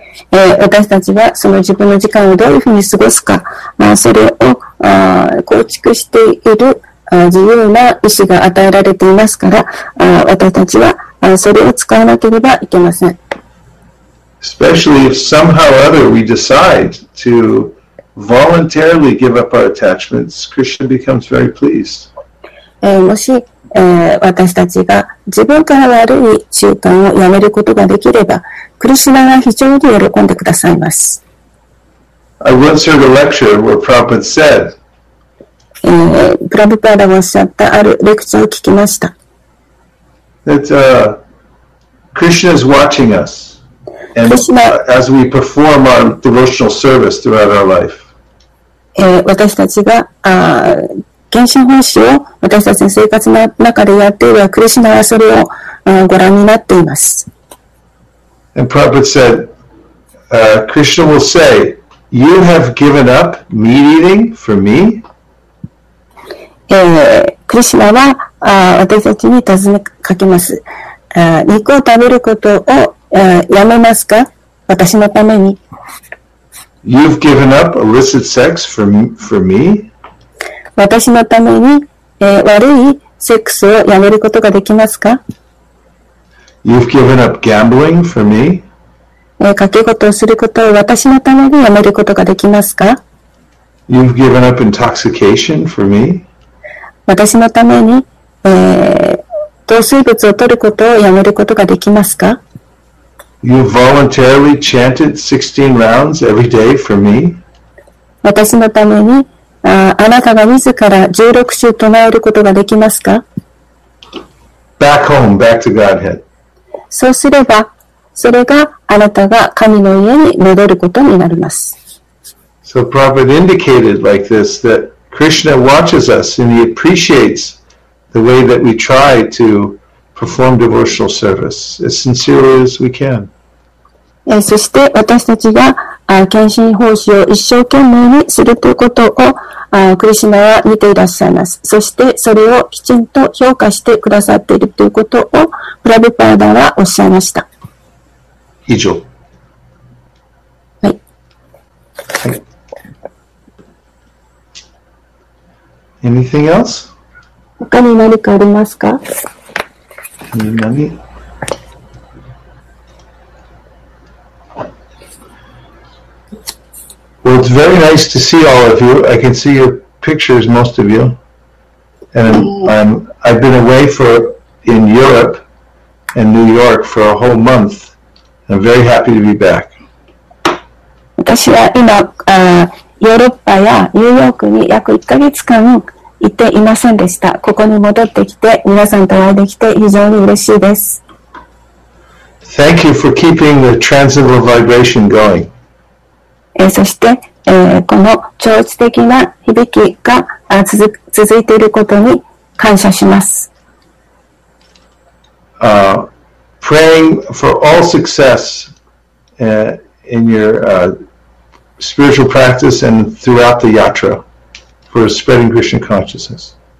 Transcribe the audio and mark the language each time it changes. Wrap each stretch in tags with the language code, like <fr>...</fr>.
<ja>私たちはその自分の時間をどういうふうに過ごすか、まあ、それを構築している自由な意思が与えられていますから、私たちはそれを使わなければいけません。</ja> <en>Especially if somehow or other we decide to voluntarily give up our attachments, Krishna becomes very pleased.</en> <ja>もし私たちが自分から悪い習慣をやめることができれば、クリシュナが非常に喜んでくださいます。</ja> <en>I once heard a lecture where Prabhupada said,</en> <ja>プラブパーダがおっしゃったあるレクチャーを聞きました。</ja> <en>That Krishna is watching us, and as we perform our devotional service throughout our life.</en> <ja>私たちが献身奉仕を私たちの生活の中でやっているクリシナはそれをご覧になっています。</ja> <en>And Prabhupada said, Krishna will say, you have given up meat eating for me?</en> <ja>クリシナは私たちに尋ねかけます。肉を食べることをやめますか？私のために。</ja> <en>You've given up illicit sex for me?</en> <ja>私のために悪いセックスをやめることができますか？</ja> <en>You've given up gambling for me?</en> <ja>賭け事をすることを私のためにやめることができますか？</ja> <en>You've given up intoxication for me?</en> <ja>私のために糖水物を取ることをやめることができますか？</ja> <en>You've voluntarily chanted 16 rounds every day for me?</en> <ja>私のためにあなたが自ら16週唱えることができますか？</ja> <en>Back home, back to Godhead.</en> <ja>そうすればそれがあなたが神の家に戻ることになります。 So Prabhupada indicated like this that Krishna watches us and he appreciates the way that we try to perform devotional service as sincerely as we can. そして私たちが献身奉仕を一生懸命にするということをクリシナは見ていらっしゃいます。そしてそれをきちんと評価してくださっているということをプラヴィパーダはおっしゃいました。以上。はい、</ja> <en>はい、Anything else?</en> <ja>他に何かありますか？何？</ja> <en>Well, it's very nice to see all of you. I can see your pictures, most of you. And I've been away in Europe and New York for a whole month. I'm very happy to be back.</en> <ja>私は今、ヨーロッパやニューヨークに約1ヶ月間行っていませんでした。ここに戻ってきて皆さんとお会いできて非常に嬉しいです。</ja> <en>Thank you for keeping the transcendental vibration going.</en> <ja>そして、この超越的な響きが続いていることに感謝します。</ja> <en>Praying for all success in your spiritual practice and throughout the yatra for spreading Krishna consciousness.</en>